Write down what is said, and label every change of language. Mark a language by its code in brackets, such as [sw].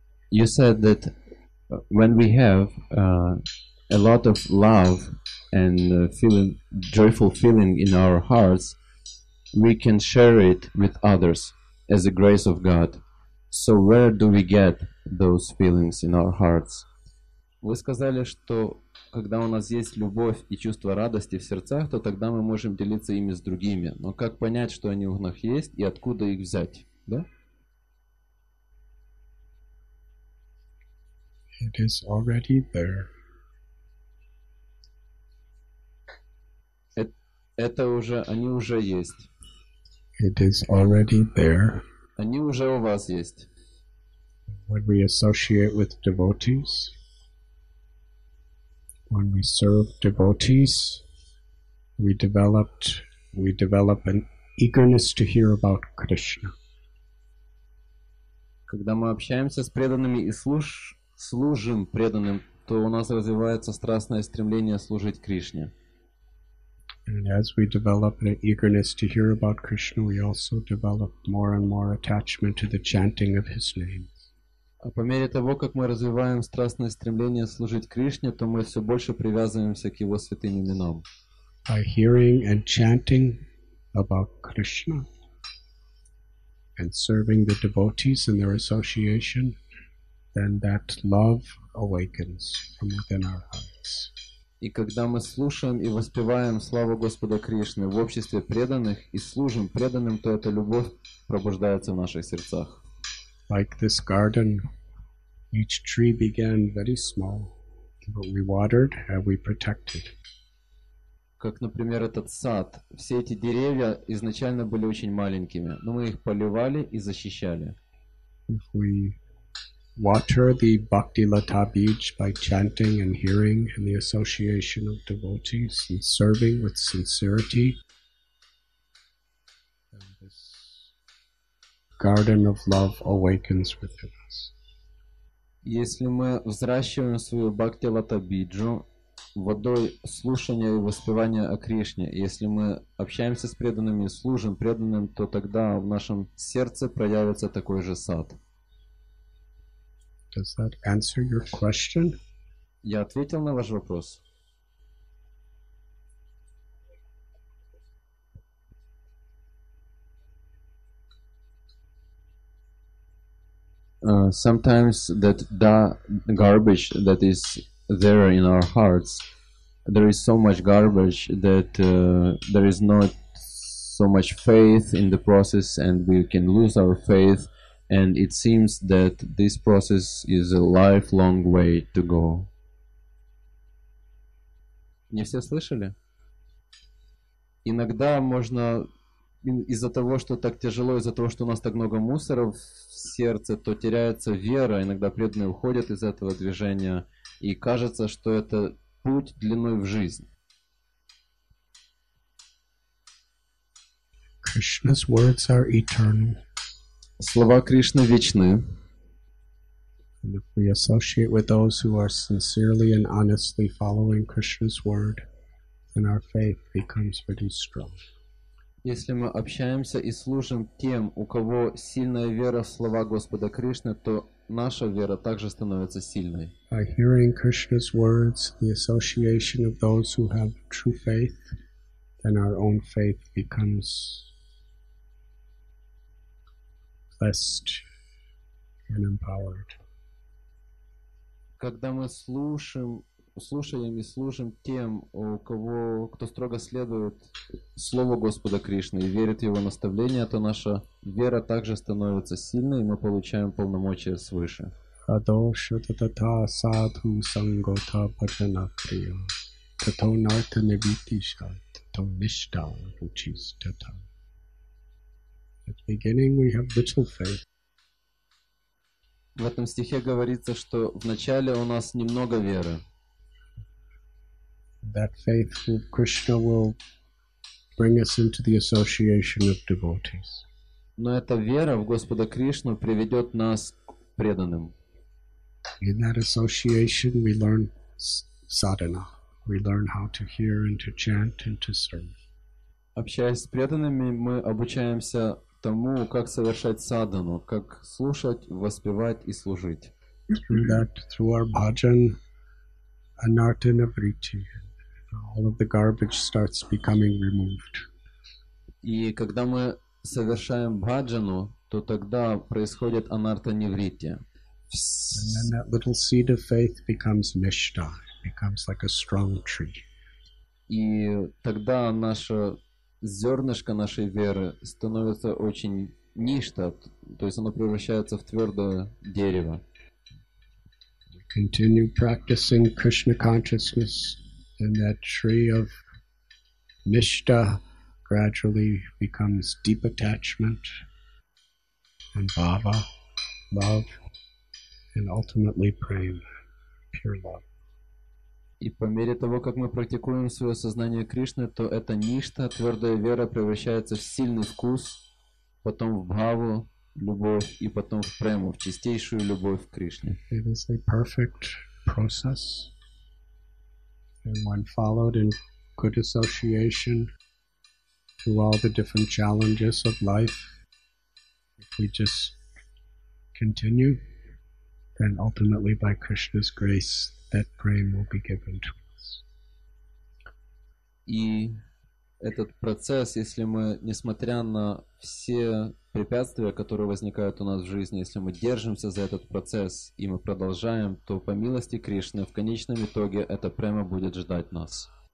[en] You said that when we have a lot of love and feeling joyful feeling in our hearts, we can share it with others as a grace of God. So where do we get those feelings in our hearts? [ru] Вы сказали, что когда у нас есть любовь и чувство радости в сердцах, то тогда мы можем делиться ими с другими. Но как понять, что они у нас есть и откуда их взять? Да? [en] It is already there. [ru] Это уже, они уже есть. [en] It is already there. [ru] Они уже у вас есть. [en] When we associate with devotees, when we serve devotees, we develop an eagerness to hear about Krishna. [ru] Когда мы общаемся с преданными и служим преданным, то у нас развивается страстное стремление служить Кришне. [en] And as we develop an eagerness to hear about Krishna, we also develop more and more attachment to the chanting of His name. [ru] А по мере того, как мы развиваем страстное стремление служить Кришне, то мы все больше привязываемся к Его святым именам. [en] By hearing and chanting about Krishna and serving the devotees and their association, then that love awakens from within our hearts. [ru] И когда мы слушаем и воспеваем славу Господа Кришны в обществе преданных и служим преданным, то эта любовь пробуждается в наших сердцах. [en] Like this garden, each tree began very small, but we watered and we protected. [ru] Как, например, этот сад. Все эти деревья изначально были очень маленькими, но мы их поливали и защищали. [en] If we water the Bhakti Lata Beach by chanting and hearing and the association of devotees and serving with sincerity, then this garden of love awakens within us. [ru] Если мы взращиваем свою Бхакти Лата Биджу водой слушания и воспевания о Кришне, если мы общаемся с преданными и служим преданным, то тогда в нашем сердце проявится такой же сад. [en] Does that answer your question? [ru] Я ответил на ваш вопрос. [en] Sometimes that garbage that is there in our hearts, there is so much garbage that there is not so much faith in the process, and we can lose our faith. And it seems that this process is a lifelong way to go. [ru] Не все слышали? Иногда можно из-за того, что так тяжело, из-за того, что у нас так много мусора в сердце, то теряется вера. Иногда преданные уходят из этого движения, и кажется, что это путь длиной в жизнь. [en] Krishna's words are eternal. [ru] Слова Кришны вечны. [en] And if we associate with those who are sincerely and honestly following Krishna's word, then our faith becomes pretty strong. [ru] Если мы общаемся и служим тем, у кого сильная вера в слова Господа Кришны, то наша вера также становится сильной. [en] By hearing Krishna's words, the association of those who have true faith, then our own faith becomes blessed and empowered. [ru] Когда мы слушаем и служим тем, кто строго следует слову Господа Кришны и верит в Его наставления, то наша вера также становится сильной, и мы получаем полномочия свыше. [sa] Адошатата садху сангота паджанакрия тато нарта невитиша тато ништа учистата. [en] At the beginning we have little faith. [ru] В этом стихе говорится, что в начале у нас немного веры. [en] That faith in Krishna will bring us into the association of devotees. [ru] Но эта вера в Господа Кришну приведет нас к преданным. [en] In that association we learn sadhana. We learn how to hear and to chant and to serve. [ru] Общаясь с преданными, мы обучаемся тому, как совершать садхану, как слушать, воспевать и служить. [en] Through our bhajan, anarta navritti, all of the garbage starts becoming removed. [ru] И когда мы совершаем бхаджану, то тогда происходит анарта навритти. [en] And then that little seed of faith becomes nishtha, becomes like a strong tree. [ru] И тогда наше зернышко нашей веры становится очень ништо, то есть оно превращается в твердое дерево. [en] We continue practicing Krishna consciousness, and that tree of nishta gradually becomes deep attachment and bhava, love, and ultimately prema, pure love. [ru] И по мере того, как мы практикуем свое сознание Кришны, то эта ништа, твердая вера, превращается в сильный вкус, потом в бхаву, любовь, и потом в прему, в чистейшую любовь к Кришне. [en] It is a perfect process, and when followed in good association through all the different challenges of life, if we just continue, then ultimately by Krishna's grace, that prema will be given to us. [ru] И этот процесс, если мы, несмотря на все препятствия, которые возникают у нас в жизни, если мы держимся за этот процесс и мы продолжаем, то по милости Кришны в конечном итоге эта према будет ждать нас.